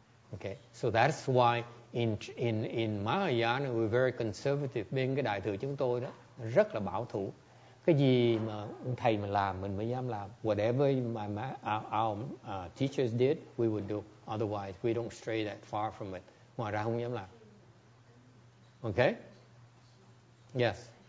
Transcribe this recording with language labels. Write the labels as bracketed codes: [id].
[en] Okay, so that's why in Mahayana we're very conservative. [vi] Bên cái đại thừa chúng tôi đó rất là bảo thủ. Cái gì mà thầy mà làm mình mới dám làm. [en] Whatever our teachers did, we would do. Otherwise, we don't stray that far from it. [vi] Ngoài ra không dám làm. [en] Okay? Yes.